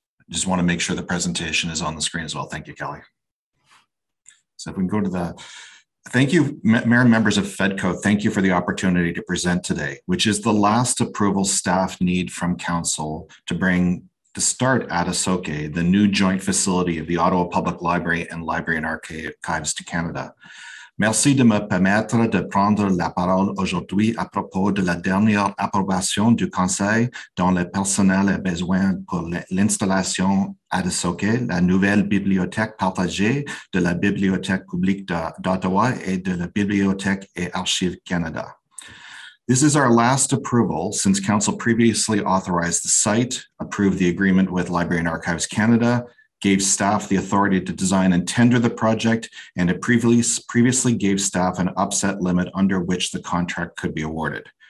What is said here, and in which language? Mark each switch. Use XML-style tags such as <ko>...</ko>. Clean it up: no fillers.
<en>Just want to make sure the presentation is on the screen as well. Thank you, Kelly. So if we can go to the, thank you, Mayor and members of FEDCO. Thank you for the opportunity to present today, which is the last approval staff need from council to bring to start Adusoke, the new joint facility of the Ottawa Public Library and Library and Archives to Canada.</en> <fr>Merci de me permettre de prendre la parole aujourd'hui à propos de la dernière approbation du Conseil dont le personnel a besoin pour l'installation Adusoke, la nouvelle bibliothèque partagée de la Bibliothèque publique d'Ottawa et de la Bibliothèque et Archives Canada.</fr> <en>This is our last approval since Council previously authorized the site, approved the agreement with Library and Archives Canada, gave staff the authority to design and tender the project, and it previously gave staff an upset limit under which the contract could be awarded.</en>